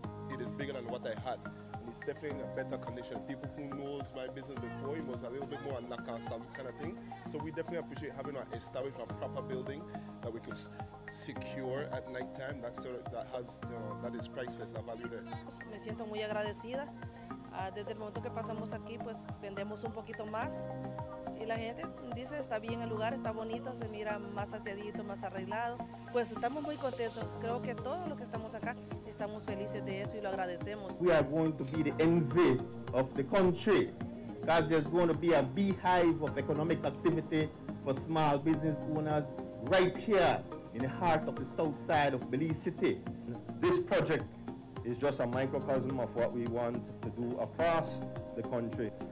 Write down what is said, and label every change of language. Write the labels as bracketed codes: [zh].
[en] It is bigger than what I had. It's definitely in a better condition. People who knows my business before, it was a little bit more knock and stuff kind of thing. So we definitely appreciate having an established and proper building that we could secure at nighttime. That's sort of, that is priceless, that value there. [es] Me siento muy agradecida. Desde el momento que pasamos aquí, pues vendemos un poquito más. Y la gente dice, está bien el lugar, está bonito, se mira más aseadito, más arreglado. Pues estamos muy contentos. Creo que todos los que estamos acá, estamos felices de eso y lo agradecemos. [en] We are going to be the envy of the country, because there's going to be a beehive of economic activity for small business owners right here in the heart of the south side of Belize City. This project is just a microcosm of what we want to do across the country.